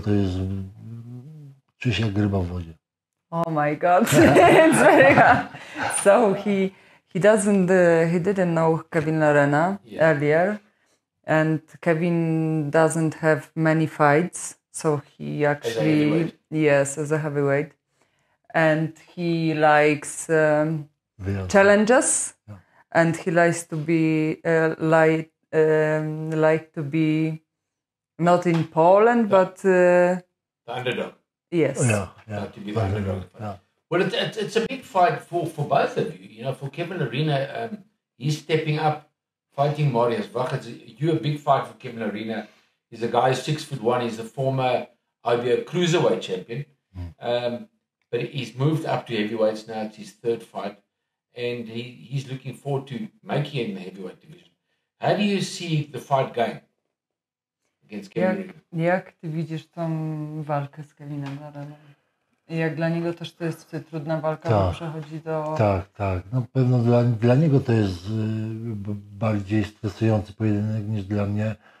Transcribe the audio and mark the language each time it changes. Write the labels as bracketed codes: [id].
[pl] To jest, czuję się jak ryba w wodzie. [en] Oh my God, it's very hard. So he didn't know Kevin Lerena earlier, and Kevin doesn't have many fights, so he actually as a heavyweight, and he likes challenges, and he likes to be not in Poland, but the underdog. Yes. Yeah. Well, it's a big fight for both of you. You know, for Kevin Lerena, he's stepping up, fighting Mariusz Wach. You're a big fight for Kevin Lerena. He's a guy who's 6'1". He's a former IBO cruiserweight champion. Mm. But he's moved up to heavyweights now. It's his third fight. And he's looking forward to making it in the heavyweight division. How do you see the fight going? [pl] Jak ty widzisz tą walkę z Kevinem Lerena? Jak dla niego też to jest trudna walka, tak, bo przechodzi do... Tak, tak. Na pewno dla niego to jest bardziej stresujący pojedynek niż dla mnie.